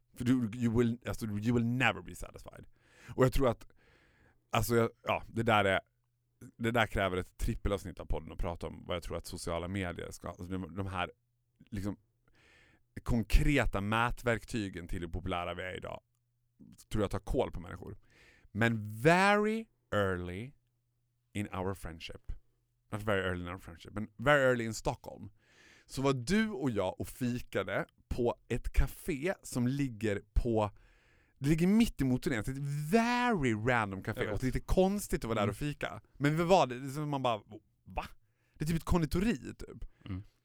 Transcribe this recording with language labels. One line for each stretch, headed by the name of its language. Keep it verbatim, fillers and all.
Swedish: För du, you will, alltså, you will never be satisfied. Och jag tror att, alltså, jag, ja, det där är... Det där kräver ett trippelavsnitt av podden att prata om vad jag tror att sociala medier ska... Alltså de här liksom, konkreta mätverktygen till det populära vi är idag tror jag tar koll på människor.
English: Men very early in our friendship. Not very early in our friendship, men very early in Stockholm.
Swedish: Så var du och jag och fikade på ett café som ligger på... Det ligger mitt emot Tullén. Det är ett very random café. Och det är lite konstigt att vara där och fika. Men vi var det som man bara... Va? Det är typ ett konditori typ. Mm.